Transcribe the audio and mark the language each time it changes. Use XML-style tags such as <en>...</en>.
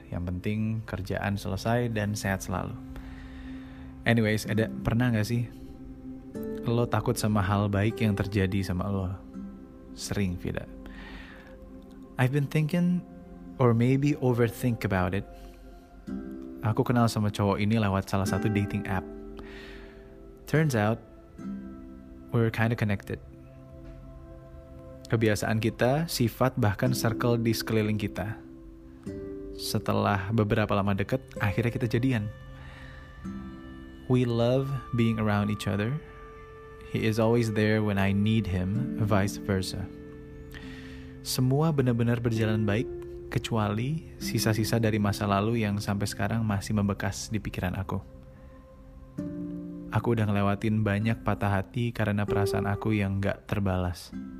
<id>Yang penting kerjaan selesai dan sehat selalu. Anyways, Eda, pernah gak sih lo takut sama hal baik yang terjadi sama lo? Sering, Vida.</id> <en>I've been thinking or maybe overthink about it.</en> <id>Aku kenal sama cowok ini lewat salah satu dating app.</id> <en>Turns out, we're kind of connected.</en> <id>Kebiasaan kita, sifat, bahkan circle di sekeliling kita. Setelah beberapa lama deket, akhirnya kita jadian.</id> <en>We love being around each other. He is always there when I need him, vice versa.</en> <id>Semua benar-benar berjalan baik, kecuali sisa-sisa dari masa lalu yang sampai sekarang masih membekas di pikiran aku. Aku udah ngelewatin banyak patah hati karena perasaan aku yang gak terbalas.</id>